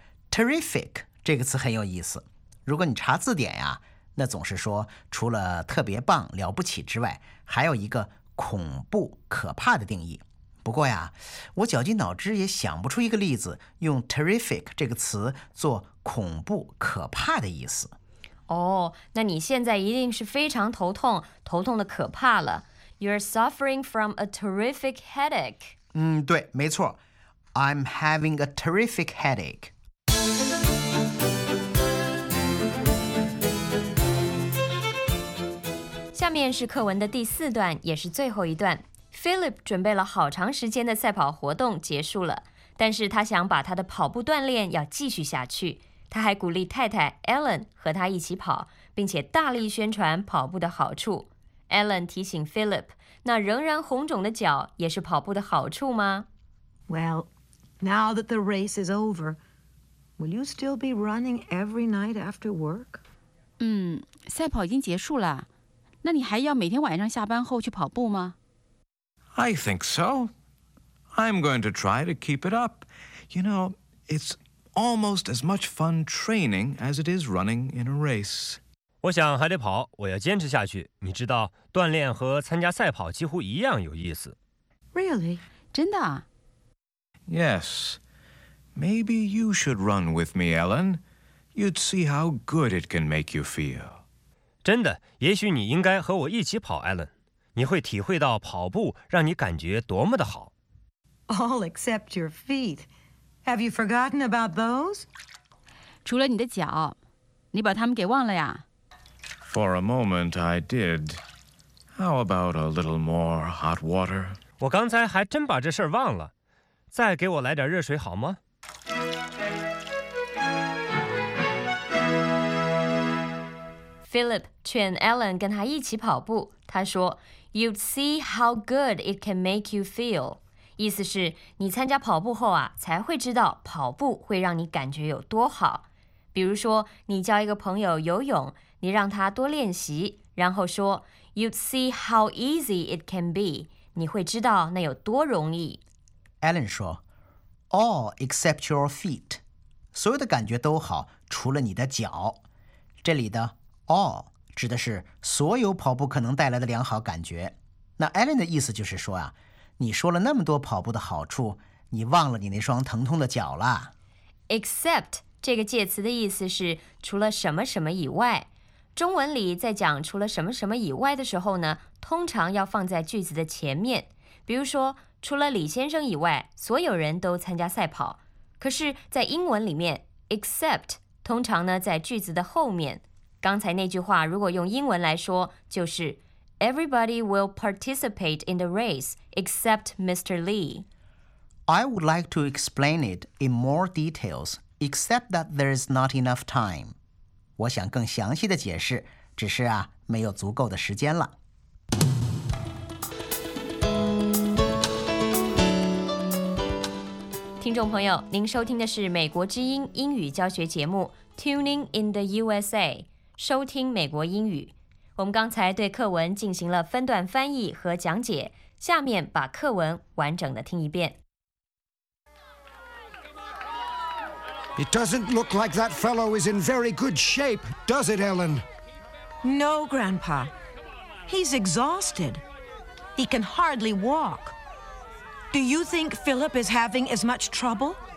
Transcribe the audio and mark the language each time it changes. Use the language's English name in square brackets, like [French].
[Chinese] Terrific 这个词很有意思。如果你查字典呀、啊、那总是说除了特别棒了不起之外还有一个恐怖可怕的定义。不过呀我绞尽脑汁也想不出一个例子用 terrific 这个词做恐怖可怕的意思。哦、oh, ，那你现在一定是非常头痛，头痛的可怕了。 [English] You're suffering from a terrific headache. [Chinese] 嗯，对，没错。 [English] I'm having a terrific headache. [Chinese] 下面是课文的第四段，也是最后一段。Philip 准备了好长时间的赛跑活动结束了，但是他想把他的跑步锻炼要继续下去。他还鼓励太太 Ellen 和他一起跑，并且大力宣传跑步的好处。 Ellen 提醒 Philip， 那仍然红肿的脚也是跑步的好处吗 [English] ？Well, now that the race is over, will you still be running every night after work？ [Chinese] 嗯，赛跑已经结束了，那你还要每天晚上下班后去跑步吗 [English] ？I think so. I'm going to try to keep it up. You know, it's almost as much fun training as it is running in a race. [Chinese] 我想还得跑，我要坚持下去。你知道，锻炼和参加赛跑几乎一样有意思。 [English] Really? [Chinese] 真的？ [English] Yes. Maybe you should run with me, Ellen. You'd see how good it can make you feel. [Chinese] 真的，也许你应该和我一起跑， Ellen. 你会体会到跑步让你感觉多么的好。 [English] All except your feet. Have you forgotten about those? [Chinese] 除了你的脚，你把它们给忘了呀 [English] ？For a moment, I did. How about a little more hot water? [Chinese] 我刚才还真把这事儿忘了，再给我来点热水好吗？Philip 劝 Alan 跟他一起跑步，他说 ： [English] “You'd see how good it can make you feel.” [Chinese] 意思是你参加跑步后啊才会知道跑步会让你感觉有多好。比如说你教一个朋友游泳你让他多练习然后说 [English] You'd see how easy it can be, [Chinese] 你会知道那有多容易。 Alan 说 [English] All except your feet, [Chinese] 所有的感觉都好除了你的脚。这里的 all 指的是所有跑步可能带来的良好感觉。那 Alan 的意思就是说啊你说了那么多跑步的好处你忘了你那双疼痛的脚了。 Except 这个介词的意思是除了什么什么以外。中文里在讲除了什么什么以外的时候呢通常要放在句子的前面。比如说除了李先生以外所有人都参加赛跑。可是在英文里面 except 通常呢在句子的后面。刚才那句话如果用英文来说就是 [English] Everybody will participate in the race except Mr. Lee. I would like to explain it in more details, except that there is not enough time. [Chinese] 我想更详细的解释，只是啊，没有足够的时间了。听众朋友，您收听的是美国之音英语教学节目《Tuning in the USA》。收听美国英语。我们刚才对课文进行了分段翻译和讲解，下面把课文完整的听一遍。 [English] It doesn't look like that fellow is in very good shape, does it, Ellen? No, Grandpa. He's exhausted. He can hardly walk. Do you think Philip is having as much trouble?